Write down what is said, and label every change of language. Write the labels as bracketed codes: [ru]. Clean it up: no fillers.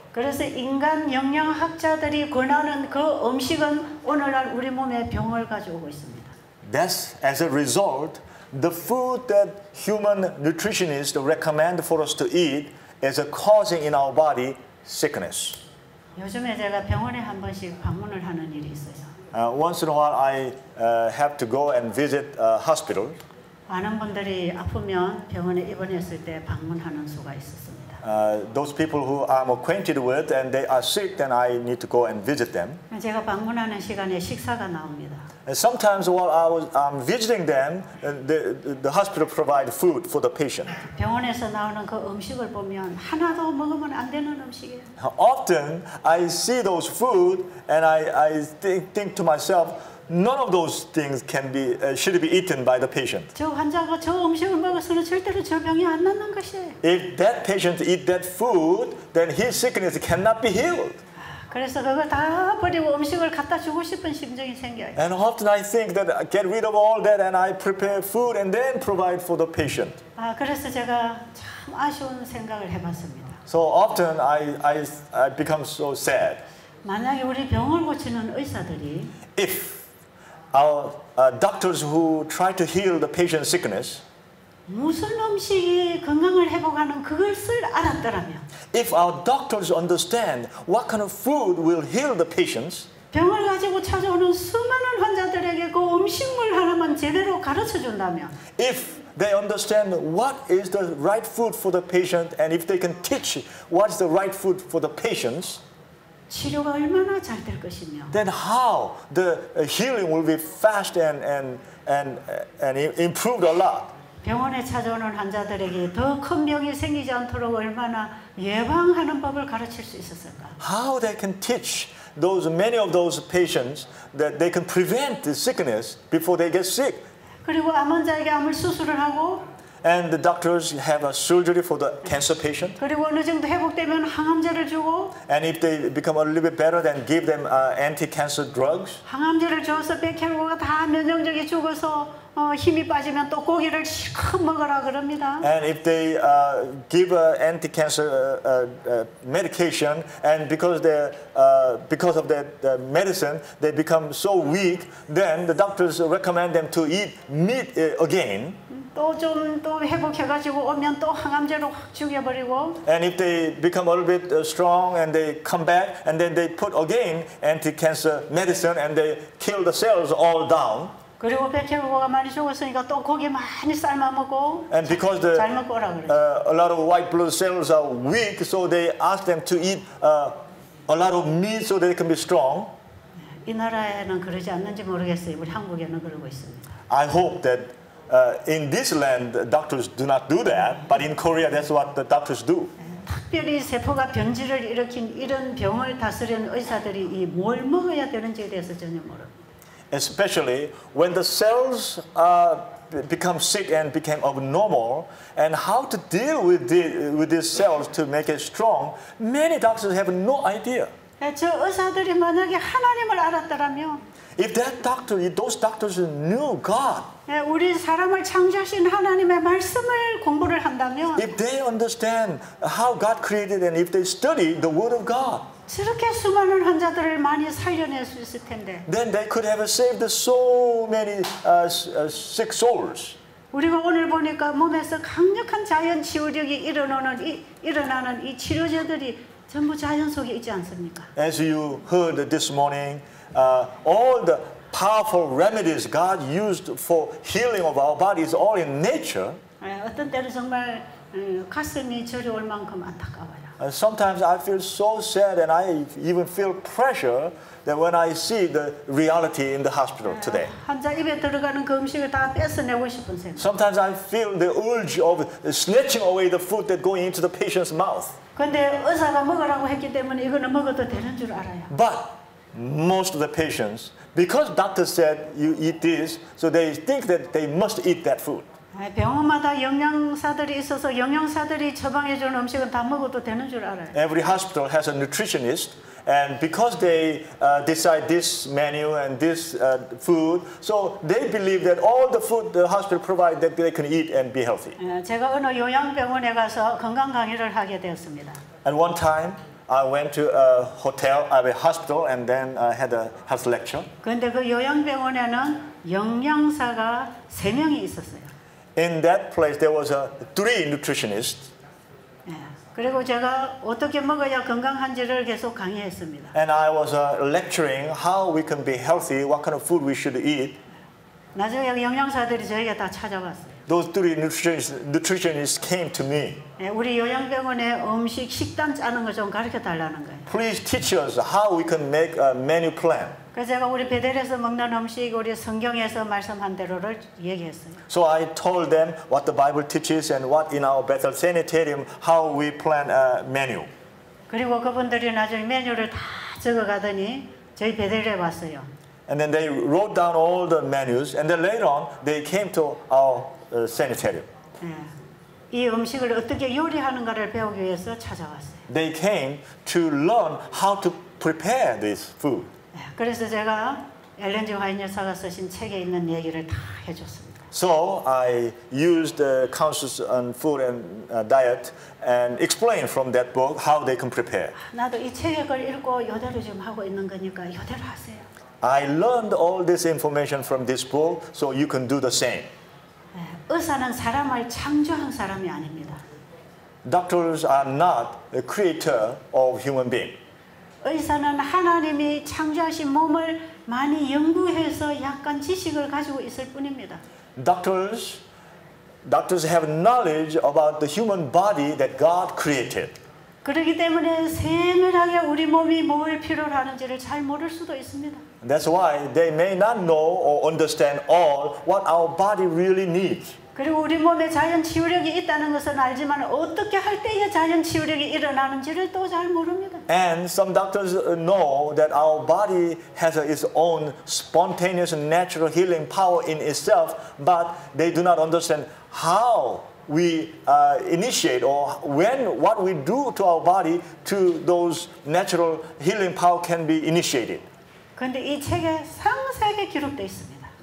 [ko] 그래서 인간 영양학자들이 권하는 그 음식은 오늘날 우리 몸에 병을 가져오고 있습니다. [en] That's as a result, the food that human nutritionists recommend for us to eat is a causing in our body sickness. [ko] 요즘에 제가 병원에 한 번씩 방문을 하는 일이 있어요. [en] Once in a while, I have to go and visit a hospital. [ko] 많은 분들이 아프면 병원에 입원했을 때 방문하는 수가 있었습니다. [en] those people who I'm acquainted with and they are sick, then I need to go and visit them. [ko] 제가 방문하는 시간에 식사가 나옵니다. [en] And sometimes while I was visiting them, the hospital provide food for the patient. [ko] 병원에서 나오는 그 음식을 보면 하나도 먹으면 안 되는 음식이에요. [en] Often I see those food and I think to myself, none of those things can be should be eaten by the patient. [ko] 저 환자가 저 음식을 먹어서는 절대로 저 병이 안 낫는 것이에요. [en] If that patient eat that food, then his sickness cannot be healed. [ko] 그래서 그걸 다 버리고 음식을 갖다 주고 싶은 심정이 생겨요. [en] And often I think that I get rid of all that and I prepare food and then provide for the patient. [ko] 아, 그래서 제가 참 아쉬운 생각을 해봤습니다. [en] So often I become so sad. [ko] 만약에 우리 병을 고치는 의사들이 [en] If our doctors who try to heal the patient's sickness [ko] 무슨 음식이 건강을 회복하는 그것을 알았더라면 [en] If our doctors understand what kind of food will heal the patients [ko] 병을 가지고 찾아오는 수많은 환자들에게 그 음식물 하나만 제대로 가르쳐준다면 [en] If they understand what is the right food for the patient and if they can teach what's the right food for the patients [ko] 치료가 얼마나 잘 될 것이며 [en] Then how the healing will be fast and improved a lot. [ko] 병원에 찾아오는 환자들에게 더 큰 병이 생기지 않도록 얼마나 예방하는 법을 가르칠 수 있었을까? [en] How they can teach those many of those patients that they can prevent the sickness before they get sick. [ko] 그리고 암 환자에게 암을 수술을 하고 [en] And the doctors have a surgery for the cancer patient. [ko] 그리고 어느 정도 회복되면 항암제를 주고. [en] And if they become a little bit better, then give them anti-cancer drugs. [ko] 항암제를 줘서 백혈구가 다 면역력이 죽어서 힘이 빠지면 또 고기를 실컷 먹어라 그럽니다. [en] And if they give anti-cancer medication, and because they because of that medicine, they become so weak, then the doctors recommend them to eat meat again. [ko] 또 회복해가지고 오면 또 항암제로 확 죽여버리고 [en] And if they become a little bit strong and they come back and then they put again anti-cancer medicine and they kill the cells all down [ko] 그리고 백혈구가 많이 죽었으니까 또 고기 많이 삶아먹고 [en] And because the a lot of white blood cells are weak so they ask them to eat a lot of meat so they can be strong [ko] 이 나라에는 그러지 않는지 모르겠어요 우리 한국에는 그러고 있습니다 [en] I hope that in this land, doctors do not do that, but in Korea, that's what the doctors do. [ko] 특별히 세포가 변질을 일으킨 이런 병을 다스리는 의사들이 이 뭘 먹어야 되는지에 대해서 전혀 모릅니다. [en] Especially when the cells become sick and became abnormal, and how to deal with these cells to make it strong, many doctors have no idea. [ko] 저 의사들이 만약에 하나님을 알았더라면. [en] If that doctor, if those doctors knew God, [ko] 예, 우리 사람을 창조하신 하나님의 말씀을 공부를 한다면, [en] if they understand how God created and if they study the Word of God, [ko] 저렇게 수많은 환자들을 많이 살려낼 수 있을 텐데, [en] then they could have saved so many sick souls. [ko] 우리가 오늘 보니까 몸에서 강력한 자연 치유력이 일어나는 이 치료제들이 전부 자연 속에 있지 않습니까? [en] As you heard this morning. All the powerful remedies God used for healing of our body is all in nature. [ko] 어떤 때는 정말 가슴이 저려올 만큼 안타까워요. [en] Sometimes I feel so sad and I even feel pressure that when I see the reality in the hospital today. [ko] 환자 입에 들어가는 그 음식을 다 뺏어내고 싶은 생각. [en] Sometimes I feel the urge of snatching away the food that going into the patient's mouth. [ko] 근데 의사가 먹으라고 했기 때문에 이거는 먹어도 되는 줄 알아요. [en] But most of the patients, because doctor said you eat this, so they think that they must eat that food. [ko] 병원마다 영양사들이 있어서 영양사들이 처방해 준 음식은 다 먹어도 되는 줄 알아요. [en] Every hospital has a nutritionist, and because they decide this menu and this food, so they believe that all the food the hospital provide that they can eat and be healthy. [ko] 제가 어느 요양병원에 가서 건강 강의를 하게 되었습니다. [en] At one time. I went to a hotel, a hospital, and then I had a health lecture. [ko] 근데 그 요양병원에는 영양사가 세 명이 있었어요. [en] In that place, there was three nutritionists. [ko] 그리고 제가 어떻게 먹어야 건강한지를 계속 강의했습니다. [en] And I was lecturing how we can be healthy, what kind of food we should eat. [ko] 나중에 영양사들이 저에게 다 찾아왔어요. [en] those three nutritionists came to me. [ko] 우리 요양병원에 음식 식단 짜는 걸 좀 가르쳐 달라는 거예요. [en] Please teach us how we can make a menu plan. [ko] 그래서 제가 우리 베델에서 먹는 음식 우리 성경에서 말씀한 대로를 얘기했어요. [en] So I told them what the Bible teaches and what in our Bethel sanitarium how we plan a menu. [ko] 그리고 그분들이 나중에 메뉴를 다 적어 가더니 저희 베델에 왔어요. [en] And then they wrote down all the menus, and then later on, they came to our sanitarium. [ko] 이 음식을 어떻게 요리하는가를 배우기 위해서 찾아왔어요. [en] They came to learn how to prepare this food. [ko] 그래서 제가 엘렌 G. 화이트 여사가 쓰신 책에 있는 얘기를 다 해줬습니다. [en] So I used the counsels on food and diet and explained from that book how they can prepare. [ko] 나도 이 책을 읽고 이대로 지금 하고 있는 거니까 이대로 하세요. [en] I learned all this information from this book, so you can do the same. [ko] 의사는 사람을 창조한 사람이 아닙니다. [en] Doctors are not the creator of human being. [ko] 의사는 하나님이 창조하신 몸을 많이 연구해서 약간 지식을 가지고 있을 뿐입니다. [en] Doctors have knowledge about the human body that God created. [ko] 그렇기 때문에 세밀하게 우리 몸이 뭘 필요로 하는지를 잘 모를 수도 있습니다. [en] That's why they may not know or understand all what our body really needs. [ko] 그리고 우리 몸에 자연 치유력이 있다는 것은 알지만 어떻게 할 때에 자연 치유력이 일어나는지를 또 잘 모릅니다. [en] And some doctors know that our body has its own spontaneous natural healing power in itself, but they do not understand how we initiate or when what we do to our body to those natural healing power can be initiated. [ko] 근데 이 책에 상세하게 기록되어 있습니다.